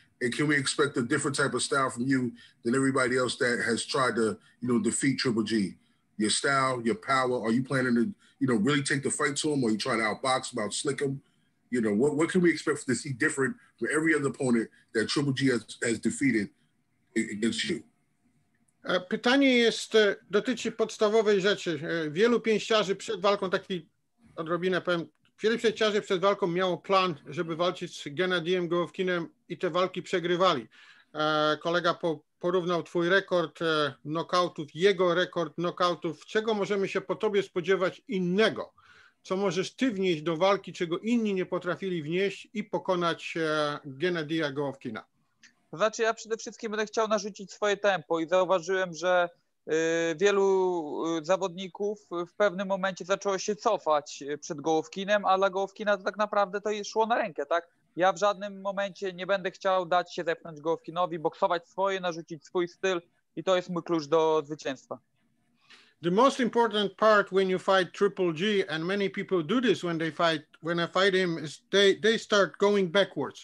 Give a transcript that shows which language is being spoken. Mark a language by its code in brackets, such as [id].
[en] And can we expect a different type of style from you than everybody else that has tried to, you know, defeat Triple G? Your style, your power, are you planning to, you know, really take the fight to him? Or are you trying to outbox him, outslick him? You know, what can we expect to see different from every other opponent that Triple G has defeated against you? [pl] Pytanie jest, dotyczy podstawowej rzeczy. Wielu pięściarzy przed walką, taki odrobinę powiem, wielu pięściarzy przed walką miało plan, żeby walczyć z Gennadiem Golovkinem i te walki przegrywali. Kolega porównał twój rekord knockoutów, jego rekord knockoutów. Czego możemy się po tobie spodziewać innego? Co możesz ty wnieść do walki, czego inni nie potrafili wnieść i pokonać Gennadiya Golovkina? To znaczy ja przede wszystkim będę chciał narzucić swoje tempo i zauważyłem, że wielu zawodników w pewnym momencie zaczęło się cofać przed Golovkinem, a dla Golovkina to tak naprawdę to szło na rękę, tak? Ja w żadnym momencie nie będę chciał dać się zepchnąć Golovkinowi, boksować swoje, narzucić swój styl i to jest mój klucz do zwycięstwa. [en] The most important part when you fight Triple G, and many people do this when they fight, when I fight him, is they start going backwards.